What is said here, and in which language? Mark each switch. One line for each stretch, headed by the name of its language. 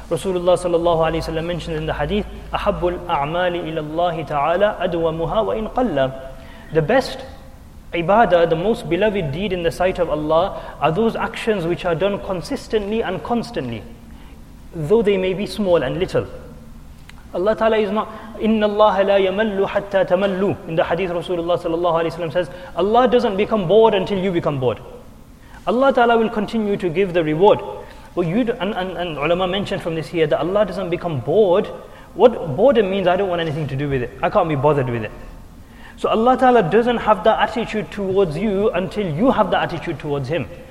Arabic: Rasulullah sallallahu alayhi wa sallam
English: mentioned in the hadith,
Arabic: أَحَبُّ الْأَعْمَالِ إِلَى اللَّهِ تَعَالَى أَدْوَمُهَا وَإِنْ قَلَّ.
English: The best ibadah, the most beloved deed in the sight of Allah, are those actions which are done consistently and constantly, though they may be small and little. Allah ta'ala is not,
Arabic: إِنَّ اللَّهَ لَا يَمَلُّ حَتَّى تَمَلُّ.
English: In the hadith, Rasulullah sallallahu alayhi wa sallam says, Allah doesn't become bored until you become bored. Allah Ta'ala will continue to give the reward. But you and ulama mentioned from this here that Allah doesn't become bored. What boredom means, I don't want anything to do with it. I can't be bothered with it. So Allah Ta'ala doesn't have that attitude towards you until you have that attitude towards Him.